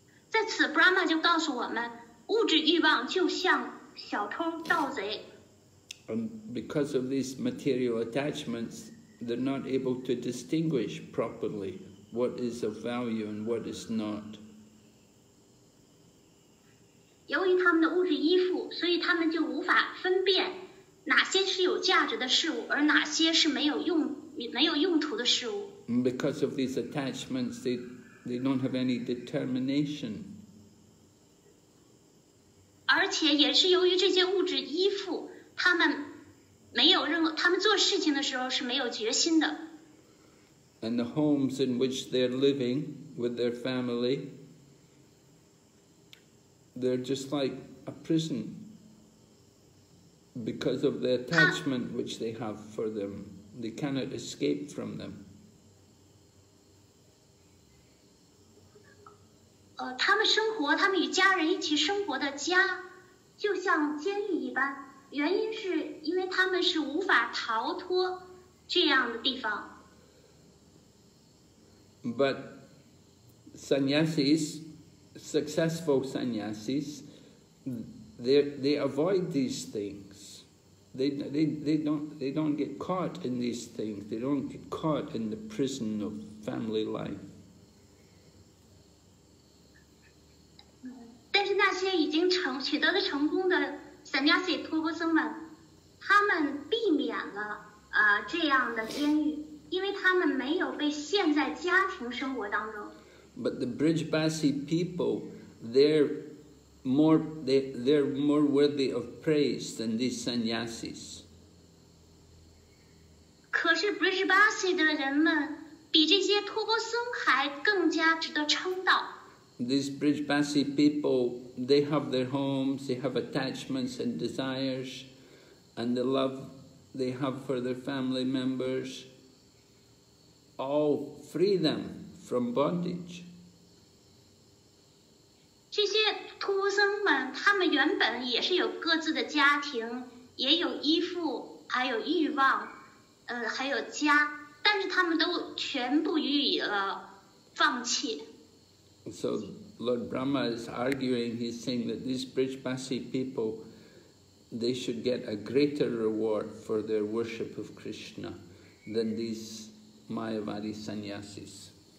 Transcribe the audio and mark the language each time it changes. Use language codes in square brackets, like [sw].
[zh] 在此 ，Brahma 就告诉我们，物质欲望就像小偷盗贼。 [en] And because of these material attachments, they're not able to distinguish properly what is of value and what is not. [zh] 由于他们的物质依附，所以他们就无法分辨哪些是有价值的事物，而哪些是没有用途的事物。 [en] And because of these attachments, they don't have any determination. [zh] 而且也是由于这些物质依附，他们做事情的时候是没有决心的。 [en] And the homes in which they're living with their family, they're just like a prison because of the attachment which they have for them. They cannot escape from them. [zh] 他们生活，他们与家人一起生活的家，就像监狱一般。原因是因为他们是无法逃脱这样的地方。 [en] But sannyasis, successful sannyasis, they avoid these things. They don't get caught in these things. They don't get caught in the prison of family life. [zh] 但是那些已经取得了成功的 sannyasi 托钵僧们，他们避免了这样的监狱，因为他们没有被陷在家庭生活当中。 [en] But the Brijbasi people, they're more worthy of praise than these sannyasis. [zh] 可是 Brijbasi 的人们比这些托钵僧还更加值得称道。 [en] These Brijbasi people, they have their homes, they have attachments and desires, and the love they have for their family members all free them from bondage. [zh] These 托钵僧们，他们原本也是有各自的家庭，也有依附，还有欲望，还有家，但是他们都全部予以了放弃。 [en] So Lord Brahma is arguing, he's saying that these Brijbasi people, they should get a greater reward for their worship of Krishna than these Mayavadi sannyasis.